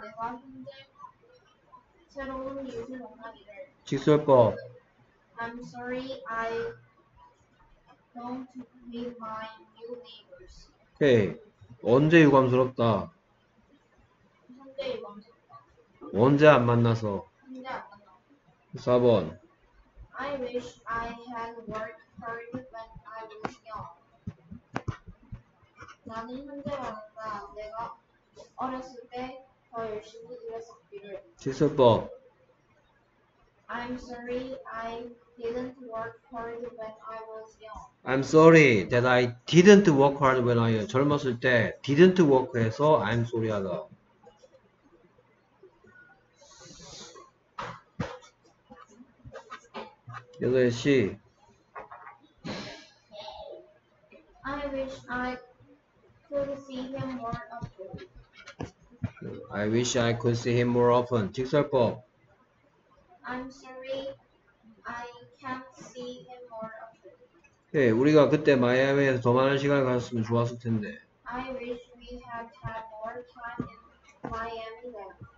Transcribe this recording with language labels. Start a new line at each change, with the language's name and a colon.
Korean: 내가 현재 새로운 이웃을 만나기를. 직설법.
English: I'm sorry I don't meet my new neighbors.
Korean: 오케이. 언제 유감스럽다. 현재 유감스럽다. 언제 안 만나서. 현재 안 만나서. 4번.
English: I wish I had worked hard when I was young.
Korean: 나는 현재 많다. 내가 어렸을 때 더 열심히 일했었기를. 직설법.
English: I'm sorry I didn't work hard when I was young. I'm sorry that I didn't work hard when I was young.
Korean: 젊었을 때
English: didn't work
Korean: 해서
English: I'm sorry
Korean: 하다. 여섯 시.
English: I wish I could see him more often. I wish I could see him more often.
Korean: 직설법.
English: I'm sorry, I can't see him more often.
Korean: 오케이, 우리가 그때 마이애미에서 더 많은 시간을 가졌으면 좋았을 텐데.
English: I wish we had had more time in Miami then.